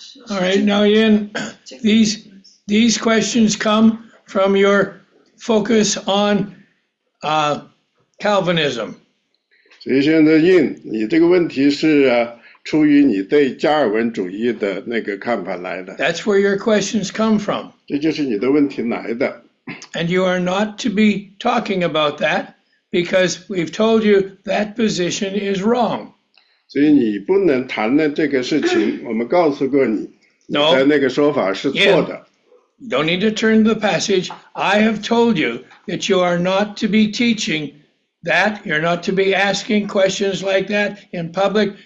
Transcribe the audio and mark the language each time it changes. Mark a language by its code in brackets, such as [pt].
[en] All right, now Ian, these questions come from your focus on Calvinism. [zh] 所以现在你这个问题是出于你对加尔文主义的那个看法来的。 [en] That's where your questions come from. [zh] 这就是你的问题来的。 [en] And you are not to be talking about that because we've told you that position is wrong. [zh] 所以你不能谈论这个事情，我们告诉过你。 [en] No, yeah. Don't need to turn to the passage. I have told you that you are not to be teaching that. You're not to be asking questions like that in public.